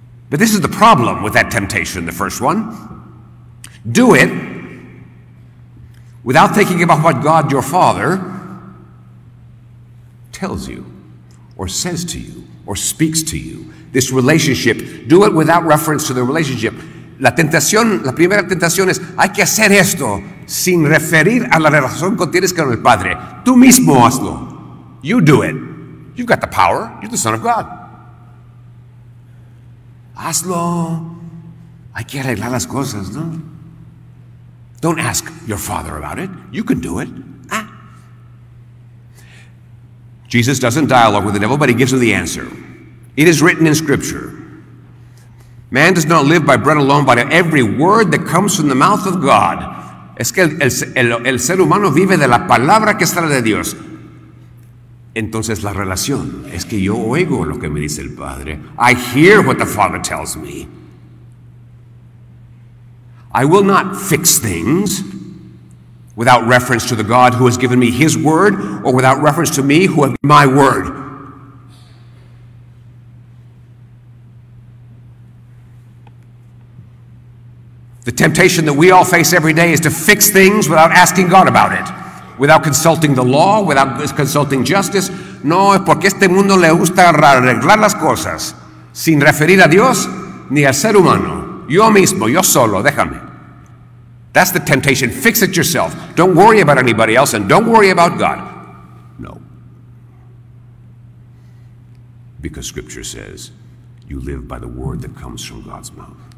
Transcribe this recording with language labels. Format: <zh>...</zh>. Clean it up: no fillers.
<en>But this is the problem with that temptation, the first one. Do it without thinking about what God, your Father, tells you, or says to you, or speaks to you. This relationship, do it without reference to the relationship.</en> <es>La tentación, la primera tentación es, hay que hacer esto sin referir a la relación que tienes con el Padre. Tú mismo hazlo.</es> <en>You do it. You've got the power. You're the Son of God.</en> <es>Hazlo. Hay que arreglar las cosas, ¿no?</es> <en>Don't ask your Father about it. You can do it. Ah. Jesus doesn't dialogue with the devil, but he gives him the answer. It is written in Scripture. Man does not live by bread alone, but by every word that comes from the mouth of God.</en> <es>Es que el ser humano vive de la palabra que sale de Dios. Entonces la relación es que yo oigo lo que me dice el Padre.</es> <en>I hear what the Father tells me. I will not fix things without reference to the God who has given me his word, or without reference to me who have my word. The temptation that we all face every day is to fix things without asking God about it. Without consulting the law, without consulting justice.</en> <es>No, es porque este mundo le gusta arreglar las cosas sin referir a Dios ni al ser humano. Yo mismo, yo solo, déjame.</es> <en>That's the temptation. Fix it yourself. Don't worry about anybody else, and don't worry about God. No. Because Scripture says, you live by the word that comes from God's mouth.</en>